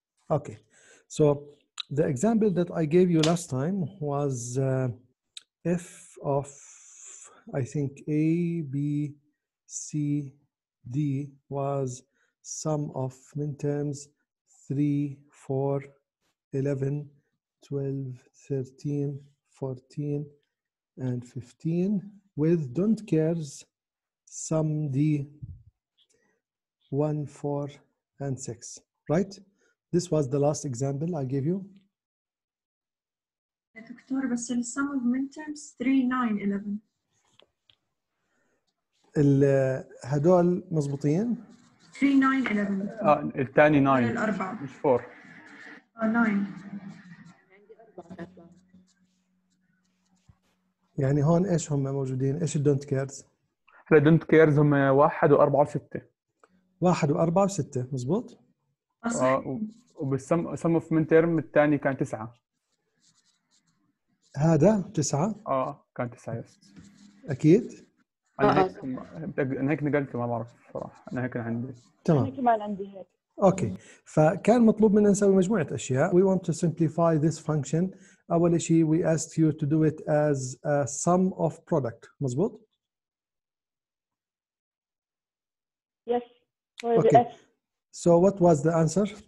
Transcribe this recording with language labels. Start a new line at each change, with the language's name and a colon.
English: Okay, so the example that I gave you last time was F of, I think, A, B, C, D was sum of min terms 3, 4, 11, 12, 13, 14, and 15 with don't cares sum D 1, 4, and 6. right? This was the last example I gave you. Doctor, but the sum of midterms 3, 9, 11. The
Arabic: هدول مزبوطين. 3, 9, 11. الثاني 9. الأربعة. مش 4. 9. يعني هون إيش هم موجودين؟ إيش don't cares؟ هلا don't cares هم 1 و4 و6. 1 و4 و6 مزبوط؟ صحيح. وبالسم سم في من ترم الثاني كان 9. هذا 9؟ كان 9 يس. أكيد؟ أنا هيك نقلته ما بعرف صراحة. أنا هيك عندي. تمام. أنا كمان عندي هيك. اوكي فكان مطلوب مننا نسوي مجموعة أشياء.
English: We want to simplify this function.
Arabic: أول شيء
English: we asked you to do it as a sum of product.
Arabic: مزبوط؟
English: Yes. Okay. So what was the answer?